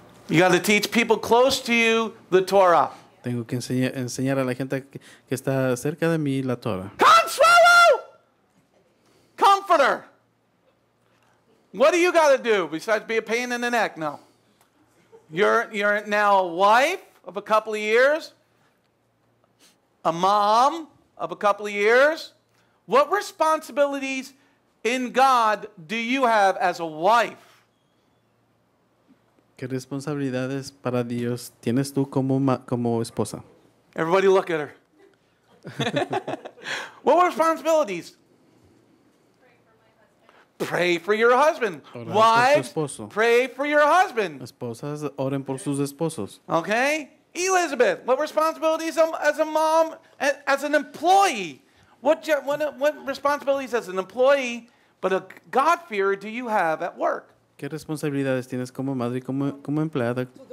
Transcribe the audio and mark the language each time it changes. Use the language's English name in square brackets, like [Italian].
[English] You got to teach people close to you the Torah. [Spanish] Tengo que enseñar a la gente que está cerca de mí la Torah. [English] Consuelo! Comforter! What do you got to do besides be a pain in the neck? No. You're now a wife of a couple of years, a mom of a couple of years. What responsibilities in God do you have as a wife? [Spanish] ¿Qué responsabilidades para Dios tienes tú como esposa? [English] Everybody look at her. What responsibilities? Pray for your husband. Wives, pray for your husband. [Spanish] Esposas, oren por sus esposos. [English] Okay. Elizabeth, what responsibilities as a mom, as an employee? What responsibilities as an employee, but a God-fearer do you have at work? [Spanish] ¿Qué responsabilidades tienes como madre y como empleada?